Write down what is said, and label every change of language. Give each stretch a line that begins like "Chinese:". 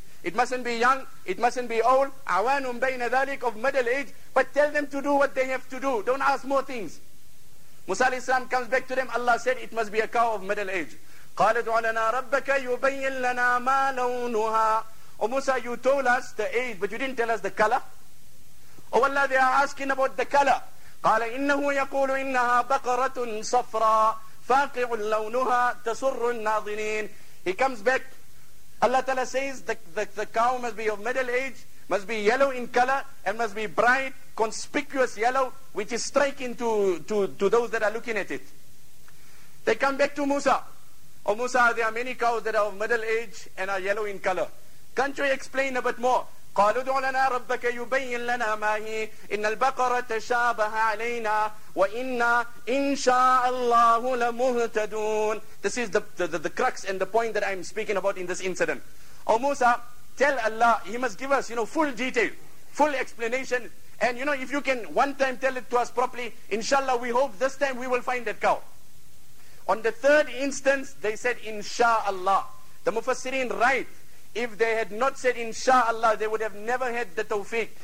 English: It mustn't be young, it mustn't be old,
Arabic: awanum bayna dhalik,
English: of middle age, but tell them to do what they have to do. Don't ask more things. Musa alayhi salam comes back to them, Allah said, it must be a cow of middle age.
Arabic: قَالَ دُعَ لَنَا رَبَّكَ يُبَيِّن لَنَا مَا لَوْنُهَا.
English: Oh Musa, you told us the age, but you didn't tell us the color. Oh Allah, they are asking about the color.
Arabic: قَالَ إِنَّهُ يَقُولُ إِنَّهَا بَقَرَةٌ صَفْرَى فَاقِعٌ لَوْنُهَا تَسُرُّ النَّاظِرِينَ.
English: He comes back Allah Ta'ala says the cow must be of middle age, must be yellow in color, and must be bright, conspicuous yellow, which is striking to those that are looking at it. They come back to Musa. Oh Musa, there are many cows that are of middle age and are yellow in color. Can't you explain a bit more?
Arabic: قالوا ادع لنا ربك يبين لنا ما هي إن البقرة تشابه علينا وإنا إن شاء الله لمهتدون.
English: This is the crux and the point that I'm speaking about in this incident. Oh Musa, tell Allah, He must give us, you know, full detail, full explanation. And you know, if you can one time tell it to us properly, inshallah, we hope this time we will find that cow. On the third instance, they said, inshallah. The Mufassirin write, if they had not said inshallah, they would have never had the tawfiq.